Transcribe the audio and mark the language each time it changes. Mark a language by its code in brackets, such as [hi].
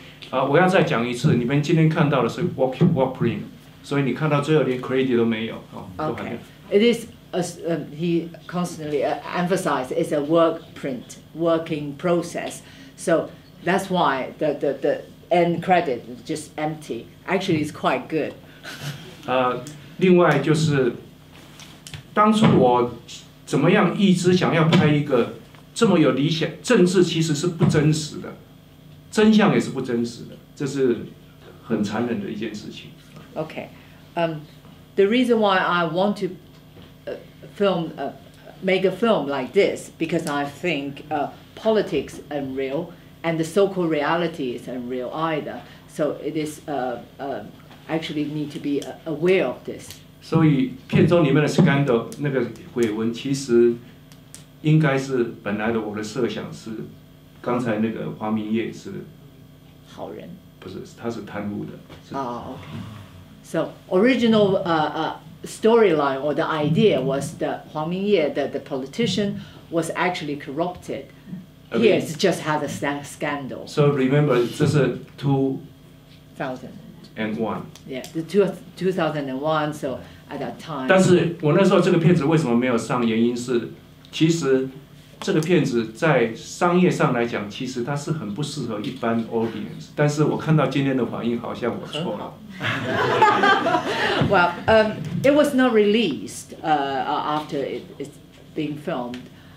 [zh] 我要再讲一次，你们今天看到的是 walk print， 所以你看到最后连 credit 都没有，都还没有。Okay. [en] It is he constantly emphasized it's a work print, working process. So that's why the end credit, just empty. Actually, it's quite good. [zh] 另外就是，当初我怎么样一直想要拍一个这么有理想，政治其实是不真实的，真相也是不真实的，这是很残忍的一件事情。 [en] Okay, the reason why I want to film, make a film like this, because I think politics unreal, and the so-called reality is unreal either. So it is actually need to be aware of this. [zh] 所以片中里面的 scandal 那个绯闻，其实应该是本来的我的设想是，刚才那个华明业是好人，不是，他是贪污的。 [en] Okay. So original storyline or the idea was that 黄明业 the politician was actually corrupted. Okay. He has just had a scandal. So remember, this is 2001. Yeah, the 2001. So at that time. [zh] 但是我那时候这个片子为什么没有上？原因是，其实这个片子在商业上来讲，其实它是很不适合一般 audience。但是我看到今天的反应，好像我错了。 [en] Well, it was not released after it's being filmed.